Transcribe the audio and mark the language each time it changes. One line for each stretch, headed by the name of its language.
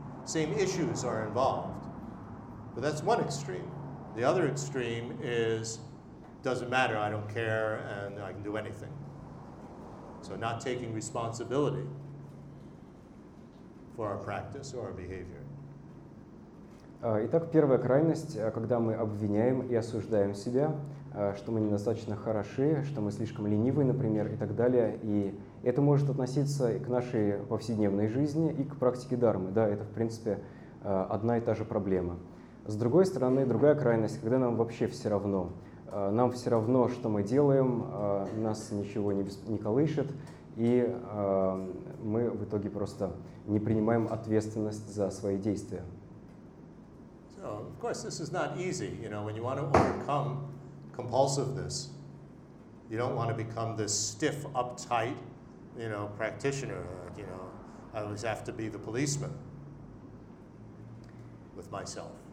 English: Same issues are involved. But that's one extreme. The other extreme is, doesn't matter, I don't care, and I can do anything. So not taking responsibility for our practice or our behavior.
Russian: Итак, первая крайность, когда мы обвиняем и осуждаем себя, что мы недостаточно хороши, что мы слишком ленивы, например, и так далее. И это может относиться и к нашей повседневной жизни, и к практике дармы. Да, это, в принципе, одна и та же проблема. С другой стороны, другая крайность, когда нам вообще все равно. Нам все равно, что мы делаем, нас ничего не колышет, и мы в итоге просто не принимаем ответственность за свои действия.
English: So, of course, this is not easy. You know, when you want to overcome compulsiveness, you don't want to become this stiff, uptight, you know, practitioner. You know, I always have to be the policeman with myself.